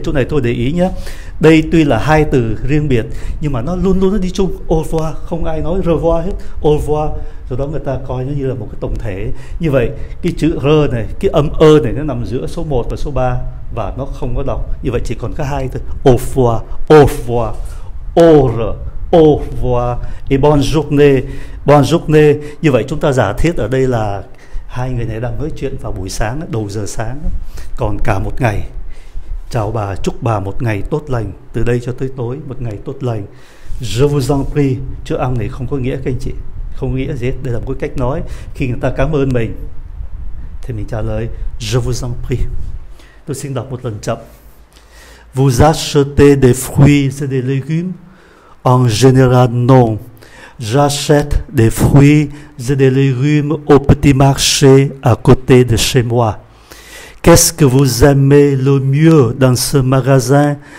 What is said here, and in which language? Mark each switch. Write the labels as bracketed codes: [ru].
[vi] Chỗ này tôi để ý nhé. Đây tuy là hai từ riêng biệt nhưng mà nó luôn luôn nó đi chung. [fr] Au revoir, [vi] không ai nói revoir hết. Au revoir. Rồi đó người ta coi nó như là một cái tổng thể. Như vậy cái chữ R này, cái âm ơ này nó nằm giữa số 1 và số 3 và nó không có đọc. Như vậy chỉ còn có hai thôi. [fr] Au revoir, au revoir. Au revoir, au revoir et bonne journée. Bonne journée. [vi] Như vậy chúng ta giả thiết ở đây là hai người này đang nói chuyện vào buổi sáng, đầu giờ sáng, còn cả một ngày. Chào bà, chúc bà một ngày tốt lành, từ đây cho tới tối, một ngày tốt lành. [fr] Je vous en prie, [vi] chữ âm này không có nghĩa các anh chị, không nghĩa gì hết. Đây là một cái cách nói, khi người ta cảm ơn mình, thì mình trả lời, [fr] je vous en prie. [vi] Tôi xin đọc một lần chậm. [fr] Vous achetez des fruits et des légumes? En général, non. J'achète des fruits et des légumes au petit marché à côté de chez moi. Qu'est-ce que vous aimez le mieux dans ce magasin?